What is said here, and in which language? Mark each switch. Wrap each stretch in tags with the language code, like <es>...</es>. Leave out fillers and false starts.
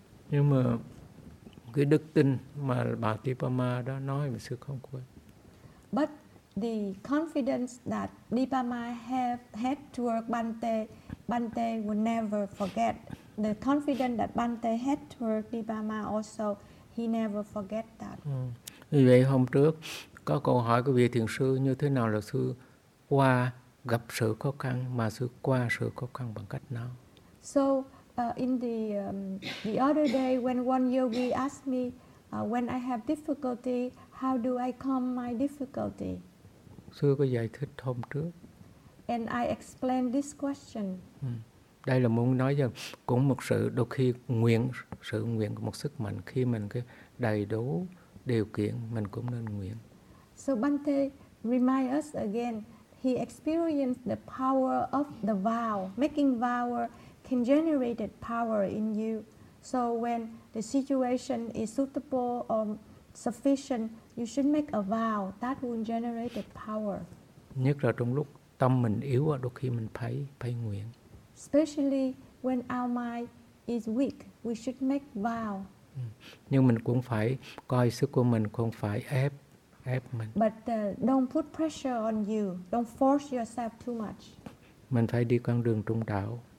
<vi>Nhưng mà cái đức tin mà bà Dipama đó nói mà sư không quên.</vi> <en>But the confidence that Dipama had toward Bhante would never forget. The confidence that Bhante had toward Dipama also, he never forget that.</en> <vi>Vì vậy hôm trước có câu hỏi của vị thiền sư như thế nào là sư qua gặp sự khó khăn mà sư qua sự khó khăn bằng cách nào?</vi> <en>So in the other day when one yogi asked me, when I have difficulty, how do I calm my difficulty?</en> <vi>Sư có giải thích hôm trước.</vi> <en>And I explained this question.</en> <vi>Đây là muốn nói rằng cũng một sự đôi khi sự nguyện của một sức mạnh khi mình cái đầy đủ điều kiện mình cũng nên nguyện.</vi> <en>So Bhante remind us again, he experienced the power of the vow. Making vow can generate power in you. So when the situation is suitable or sufficient, you should make a vow that will generate power.</en> <vi>Nhất là trong lúc tâm mình yếu ở đôi khi mình phải nguyện.</vi> <en>Especially when our mind is weak, we should make vow.</en> <vi>Nhưng mình cũng phải coi sức của mình, không phải ép mình.</vi> <en>But don't put pressure on you. Don't force yourself too much.</en> <vi>Mình phải đi con đường trung đạo.</vi>